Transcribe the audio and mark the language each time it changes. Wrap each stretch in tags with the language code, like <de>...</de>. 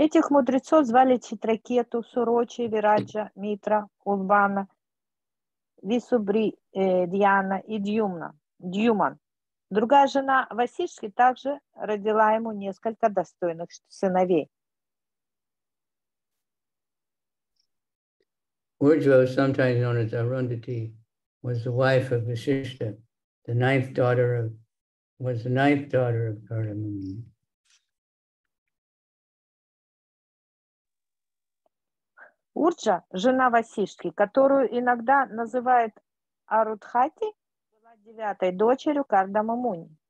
<ru>Этих мудрецов звали Читракету, Сурочи, Вираджа, Митра, Улбана, Висубри, Дьяна и Дьюман. Другая жена Васишки также родила ему несколько достойных сыновей.</ru> <en>Urjo, sometimes known as Arundhati, was the wife of Vasishtha, the ninth daughter of Kardamuni.</en> <ru>Урджа, жена Васишки, которую иногда называют Арудхати, была девятой дочерью Кардамамуни.</ru>